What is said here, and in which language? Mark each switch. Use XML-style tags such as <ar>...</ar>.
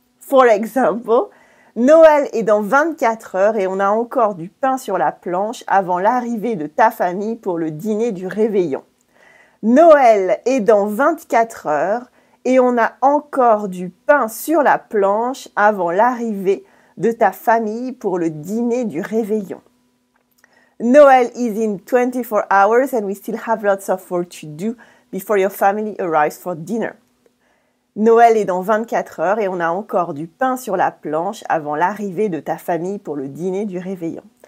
<en>For example,</en> <fr>Noël est dans 24 heures et on a encore du pain sur la planche avant l'arrivée de ta famille pour le dîner du réveillon. Noël est dans 24 heures et on a encore du pain sur la planche avant l'arrivée de ta famille pour le dîner du réveillon.</fr> <en>Noël is in 24 hours and we still have lots of work to do before your family arrives for dinner.</en> <fr>Noël est dans 24 heures et on a encore du pain sur la planche avant l'arrivée de ta famille pour le dîner du réveillon.</fr>